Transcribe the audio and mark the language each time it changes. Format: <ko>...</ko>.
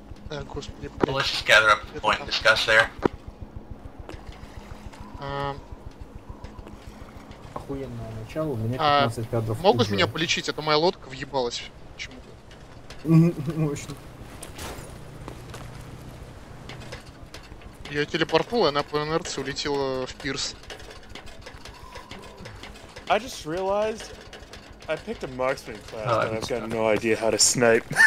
<en>Well, let's just gather up the point and discuss there.</en> <ru>Могут меня полечить, а то моя лодка въебалась почему-то. Мощно. Я телепортнул, и она по инерции улетела в пирс.</ru> <en>I just realized I picked a marksman class, but I've got no idea how to snipe.</en>